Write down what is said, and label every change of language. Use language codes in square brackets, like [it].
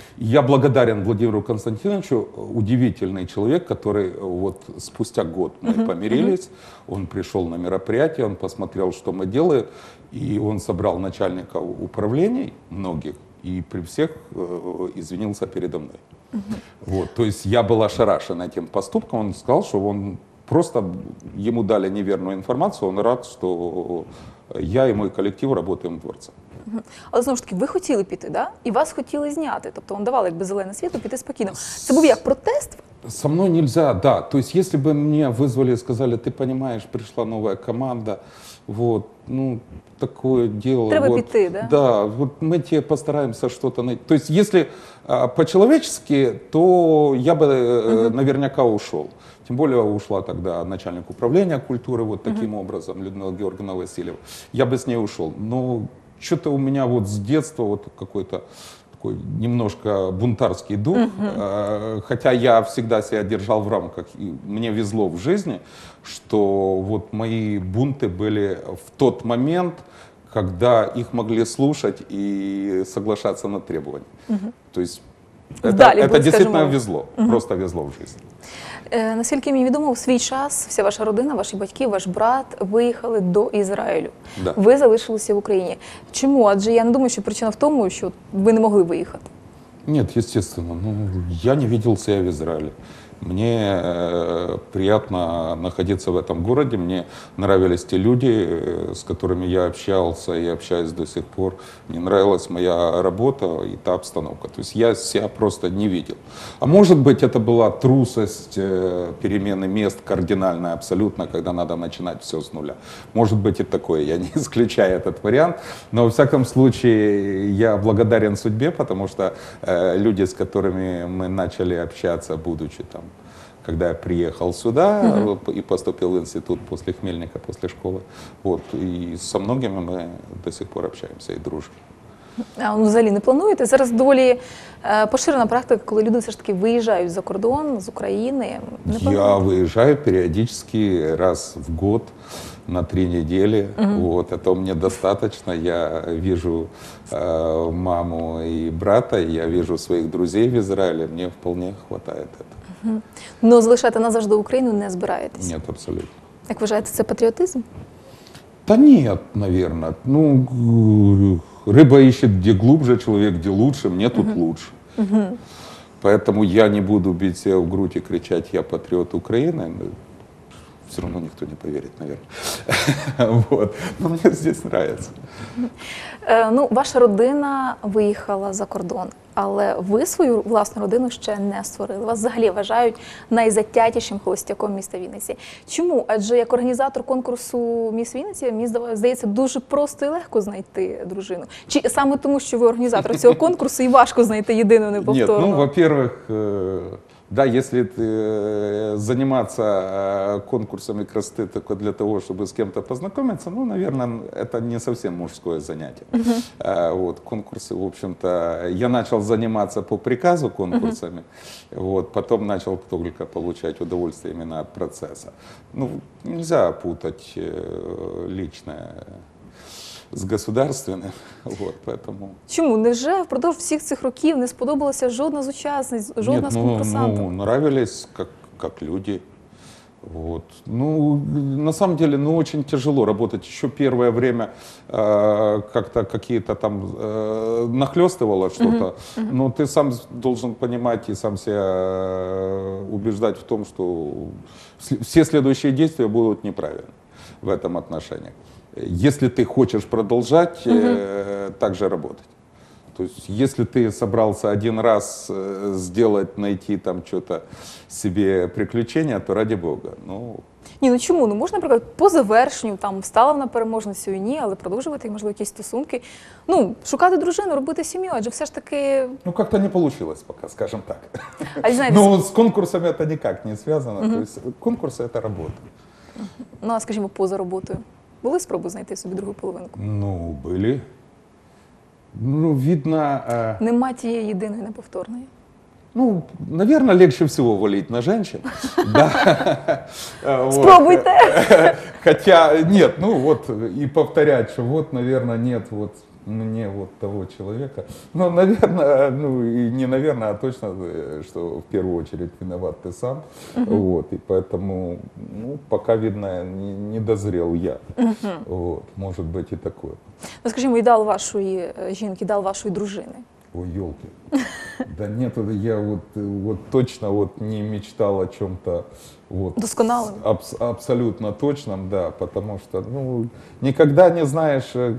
[ru] Я благодарен Владимиру Константиновичу, удивительный человек, который вот спустя год мы помирились, он пришел на мероприятие, он посмотрел, что мы делаем, и он собрал начальников управлений многих и при всех извинился передо мной. Вот, то есть я был ошарашен этим поступком, он сказал, что он просто ему дали неверную информацию, он рад, что я и мой коллектив работаем в дворце. [uk] Але знову ж таки, ви хотіли піти, да? І вас хотіли зняти. Тобто вам давали якби зелене світло піти спокійно. Це був як протест? Со мною не можна, да. Тобто, якби мене визвали і сказали, ти розумієш, прийшла нова команда, вот, ну, таке діло. Треба вот, піти, да? Да, вот ми тебе постараємося щось знайти. Тобто, якщо по-чоловічески, то я би наверняка ушел. [ru] Тем более ушла тогда начальник управления культуры вот таким образом, Людмила Георгиевна Васильева. Я бы с ней ушел. Но что-то у меня вот с детства вот какой-то такой немножко бунтарский дух. Хотя я всегда себя держал в рамках, и мне везло в жизни, что вот мои бунты были в тот момент, когда их могли слушать и соглашаться на требования. То есть это действительно везло, просто везло в жизни. [uk] Наскільки мені відомо, у свій час вся ваша родина, ваші батьки, ваш брат виїхали до Ізраїлю. Да. Ви залишилися в Україні. Чому? Адже я не думаю, що причина в тому, що ви не могли виїхати. Ні, звісно. Ну, я не бачив себе в Ізраїлі. Мені приємно знаходитися в цьому місті. Мені подобались ті люди, з якими я спілкувався і спілкуюся до сих пор. Мені подобалась моя робота і та обстановка. Тобто я себе просто не бачив. А може бути, це була трусость переміни міст, кардинальна абсолютно, коли треба починати все з нуля. Може бути і таке, я не виключаю цей варіант. Але в будь-якому випадку я благодарен судьбі, тому що люди, з якими ми почали спілкуватися, будучи там, [ru] когда я приехал сюда и поступил в институт после Хмельника, после школы. Вот. И со многими мы до сих пор общаемся и дружим. [uk] А ну, взагалі не плануєте? Зараз доволі поширена практика, коли люди все ж таки виїжджають за кордон, з України. Я виїжджаю періодично раз в год на 3 тижні. [ru] Вот. Это мне достаточно. Я вижу маму и брата, я вижу своих друзей в Израиле. Мне вполне хватает этого. [uk] Но залишати назавжди Україну не збираєтесь? Ні, абсолютно. Як вважаєте, це патріотизм? Та ні, мабуть. Ну, риба іще, де глибше, чоловік, де краще, мені тут краще. [ru] Поэтому я не буду бить себя в грудь и кричать «я патриот Украины». Все равно никто не поверит, наверное. Вот. Но мне здесь нравится. [uk] Ну, ваша родина виїхала за кордон, але ви свою власну родину ще не створили. Вас взагалі вважають найзатятішим холостяком міста Вінниці. Чому? Адже як організатор конкурсу «Міс Вінниці», мені здається, дуже просто і легко знайти дружину. Чи саме тому, що ви організатор цього конкурсу і важко знайти єдину неповторну? [ru] Ні, ну, во-первых, да, если ты заниматься конкурсами красоты только для того, чтобы с кем-то познакомиться, ну, наверное, это не совсем мужское занятие. Вот, конкурсы, в общем-то, я начал заниматься по приказу конкурсами, вот, потом начал только получать удовольствие именно от процесса. Ну, нельзя путать личное з государственним. Вот, поэтому. [uk] Чому? Неже впродовж всіх цих років не сподобалася жодна з учасниць, жодна з конкурсантів? [ru] Ну, нравились как люди. Вот. Ну, на самом деле, ну, очень тяжело работать. Еще первое время как-то какие-то там нахлестывало что-то. Но ты сам должен понимать и сам себя убеждать в том, что все следующие действия будут неправильны в этом отношении. Если ты хочешь продолжать так же работать. То есть, если ты собрался один раз сделать, найти там что-то себе приключение, то ради Бога. Ну. [uk] Ні, ну чому? Ну, можна, наприклад, по завершенню, там, стала вона переможницею, ні, але продовжувати, можливо, якісь стосунки. Ну, шукати дружину, робити сім'ю, адже все ж таки... Ну, как-то не вийшло поки, скажімо так. А, знаєте, ну, з конкурсами це ніяк не зв'язано. Тобто, конкурси – це робота. Ну, а скажімо, поза роботою? Були спроби знайти собі другу половинку? Ну, були. Ну, видно... Нема тієї єдиної неповторної. [ru] Ну, наверное, легче всего валить на женщин. Да. [uk] Спробуйте! [ru] Хотя, нет, ну вот, и повторять, что вот, наверное, нет вот мне вот того человека. Ну, наверное, ну и не наверное, а точно, что в первую очередь виноват ты сам. Вот, и поэтому, ну, пока, видно, не дозрел я. Вот, может быть и такое. [uk] Ну, скажем, ідеал вашої жінки, ідеал вашої дружини. [ru] Ой, елки. Да нет, я вот точно вот не мечтал о чем-то вот, досконалом. Абсолютно точном, да, потому что ну, никогда не знаешь.